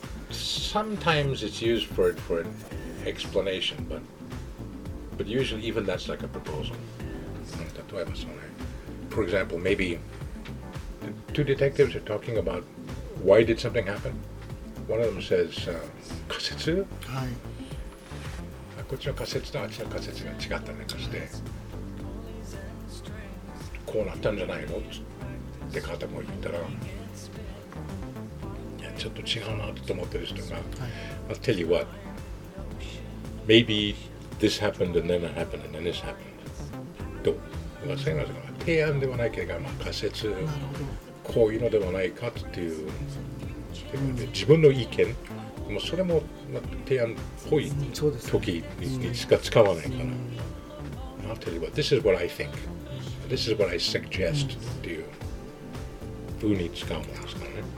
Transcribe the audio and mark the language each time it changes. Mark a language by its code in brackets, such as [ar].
[en] Sometimes it's used for an explanation, but usually even that's like a proposal. [ja] 例えばそうね。 [en] For example, maybe the two detectives are talking about why did something happen? One of them says, 仮説? [ja] はい。こっちの仮説とあっちの仮説が違ったね、そして。こうなったんじゃないの?って方も言ったら、いや、ちょっと違うなと思ってる人が、はい、 [en] I'll tell you what, maybe this happened and then it happened and then this happened. [ja] どう? そういうのは、提案ではないけど、まあ、仮説、こういうのではないかっていう。自分の意見、うん、それも提案っぽい時にしか使わないかな、うん、 [en] I'll tell you what, this is what I think, this is what I suggest、 [ja] うん、っていう風に使うものですからね。